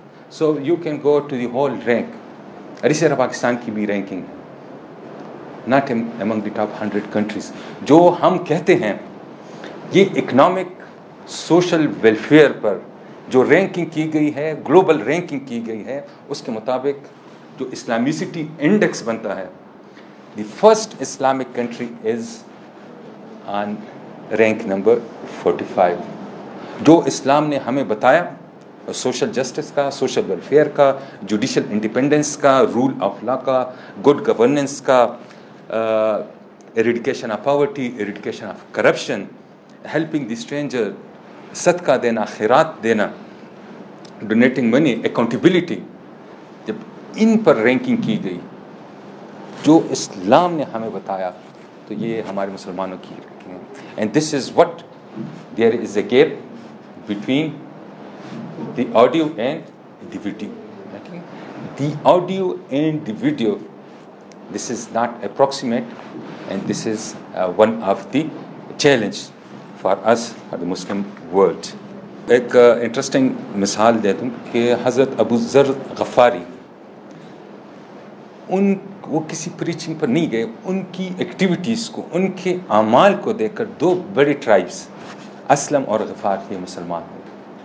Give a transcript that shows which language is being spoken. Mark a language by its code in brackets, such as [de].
[en] So you can go to the whole rank. [ur] اری سر پاکستان کی بھی رینکنگ ہے, [en] Not among the top 100 countries. [ur] جو ہم کہتے ہیں یہ اکنامک سوشل ویلفیئر پر جو رینکنگ کی گئی ہے, گلوبل رینکنگ کی گئی ہے, اس کے مطابق جو اسلامیسٹی انڈیکس بنتا ہے, [en] The first Islamic country is on rank number 45. [ur] جو اسلام نے ہمیں بتایا سوشل جسٹس کا, سوشل ویلفیئر کا, جوڈیشل انڈیپینڈنس کا, رول آف لا کا, گڈ گورننس کا, eradication of poverty, eradication of corruption, helping the stranger, صدقہ دینا, خیرات دینا, ڈونیٹنگ منی, اکاؤنٹیبلٹی, جب ان پر رینکنگ کی گئی جو اسلام نے ہمیں بتایا, تو یہ ہمارے مسلمانوں کی رینکنگ ہے. [en] And this is what there is a gap between the audio and the video. The audio and the video, this is not approximate, and this is one of the challenge for us for the Muslim world. [ur] ایک interesting مثال دے دوں کہ حضرت ابو ذر غفاری, وہ کسی preaching پر نہیں گئے, ان کی ایکٹیویٹیز کو, ان کے اعمال کو دیکھ کر دو بڑے ٹرائبس اسلم اور غفار کے مسلمان ہوئے.